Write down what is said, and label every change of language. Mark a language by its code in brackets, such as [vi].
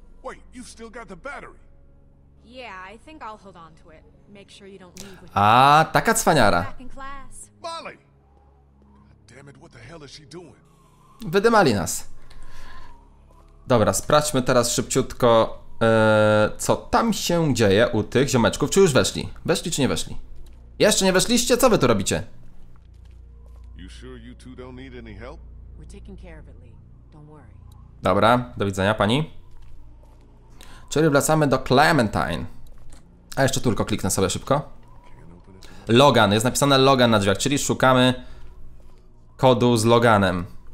[en] Wait, you still got the battery? Yeah, I think I'll hold on to it. Make sure you don't leave with it. [pl] A, taka cwaniara. [en] Molly. Damn it, what the hell is she doing? [pl] Wydymali nas. Dobra, sprawdźmy teraz szybciutko, co tam się dzieje u tych ziomeczków. Czy już weszli? Weszli czy nie weszli? Jeszcze nie weszliście? Co wy tu robicie? [en] You sure you two don't need any help? We're taking care of it, Lee. Don't worry. [pl] Dobra, do widzenia, pani. Czyli wracamy do Clementine. A jeszcze tylko kliknę sobie szybko. Logan, jest napisane Logan na drzwiach, czyli szukamy kodu z Loganem.